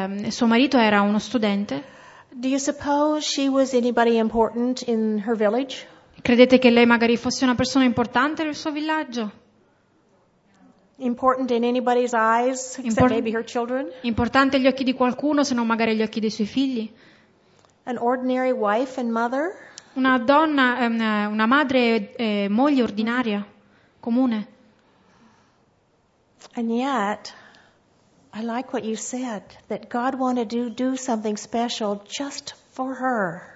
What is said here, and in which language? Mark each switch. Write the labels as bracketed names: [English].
[Italian] Suo marito era uno studente. [English] Do you suppose she was anybody important in her village? [Italian] Credete che lei magari fosse una persona importante nel suo villaggio? [English] Important in anybody's eyes, except maybe her children. [Italian] Importante agli occhi di qualcuno, se non magari agli occhi dei suoi figli. [English] An ordinary wife and mother. [Italian] Una donna, una madre e moglie ordinaria, comune. [English] And yet, I like what you said, that God wanted to do something special just for her.